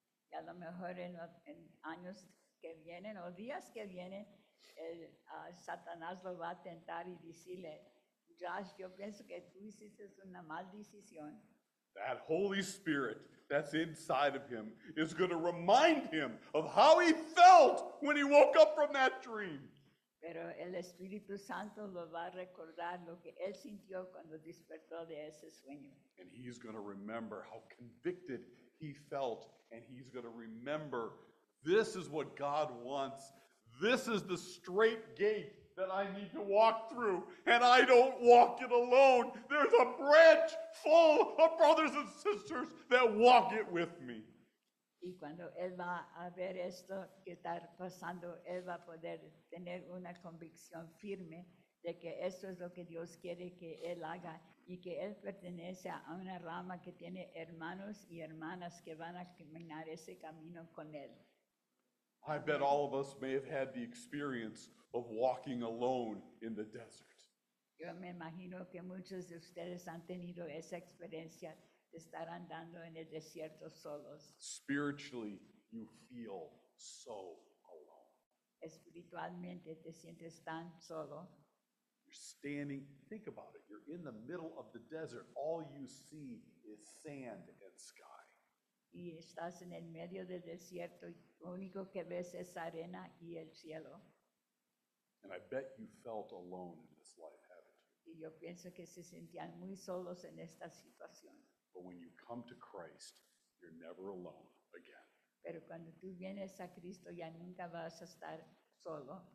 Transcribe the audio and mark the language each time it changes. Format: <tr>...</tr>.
<es>Y a lo mejor en años que vienen o días que vienen, Satanás lo va a tentar y decirle, "Josh, yo pienso que tú hiciste una mal decisión."</es> <en>That Holy Spirit that's inside of him is going to remind him of how he felt when he woke up from that dream.</en> <es>Pero el Espíritu Santo lo va a recordar lo que él sintió cuando despertó de ese sueño.</es> <en>And he's going to remember how convicted he felt, and he's going to remember, "This is what God wants. This is the straight gate that I need to walk through, and I don't walk it alone. There's a branch full of brothers and sisters that walk it with me."</en> <es>Y cuando él va a ver esto que está pasando, él va a poder tener una convicción firme de que esto es lo que Dios quiere que él haga y que él pertenece a una rama que tiene hermanos y hermanas que van a caminar ese camino con él.</es> <en>I bet all of us may have had the experience of walking alone in the desert.</en> <es>Yo me imagino que muchos de ustedes han tenido esa experiencia de estar andando en el desierto solos.</es> <en>Spiritually, you feel so alone.</en> <es>Espiritualmente te sientes tan solo.</es> <en>You're standing, think about it, you're in the middle of the desert. All you see is sand and sky.</en> <es>Y estás en el medio del desierto y lo único que ves es arena y el cielo.</es> <en>And I bet you felt alone in this life, haven't you?</en> <es>Y yo pienso que se sentían muy solos en esta situación.</es> <en>But when you come to Christ, you're never alone again.</en> <es>Pero cuando tú vienes a Cristo, ya nunca vas a estar solo.</es>